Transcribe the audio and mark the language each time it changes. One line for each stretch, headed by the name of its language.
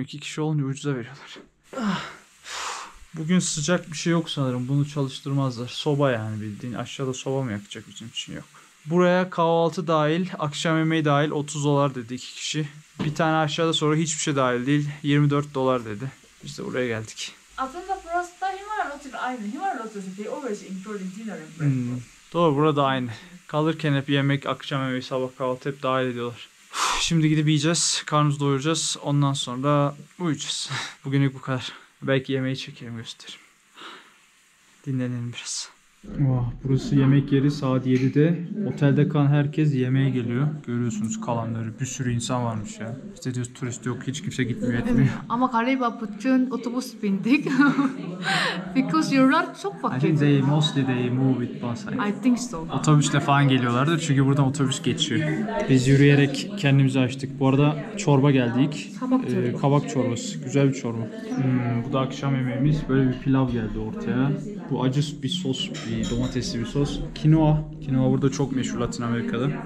Turkish: 2 kişi olunca ucuza veriyorlar. Bugün sıcak bir şey yok sanırım. Bunu çalıştırmazlar. Soba yani bildiğin. Aşağıda soba mı yakacak bizim için, yok. Buraya kahvaltı dahil, akşam yemeği dahil 30 dolar dedi 2 kişi. Bir tane aşağıda sonra hiçbir şey dahil değil. 24 dolar dedi. Biz de buraya geldik. Aslında burası da human rotation aynı.
English: Human rotation, they always including dinner and breakfast.
Turkish: Doğru, burada aynı. Kalırken hep yemek, akşam yemeği, sabah kahvaltı hep dahil ediyorlar. Şimdi gidip yiyeceğiz, karnımızı doyuracağız. Ondan sonra uyuyacağız. Bugünlük bu kadar. Belki yemeği çekerim, gösteririm. Dinlenelim biraz. Oh, burası yemek yeri, saat 7'de. Otelde kalan herkes yemeğe geliyor. Görüyorsunuz kalanları, bir sürü insan varmış ya. İşte diyoruz turist yok, hiç kimse gitmiyor etmiyor. Ama galiba bütün otobüs bindik. Because yollar çok fakir.
English: I think they mostly they move with bus. I think so.
Turkish: Otobüsle falan geliyorlardır çünkü buradan otobüs geçiyor. Biz yürüyerek kendimizi açtık. Bu arada çorba geldik. Kabak çorbası, güzel bir çorba. Bu da akşam yemeğimiz. Böyle bir pilav geldi ortaya. Bu acı bir sos. Bir domatesli bir sos. Kinoa. Kinoa burada çok meşhur Latin Amerika'da.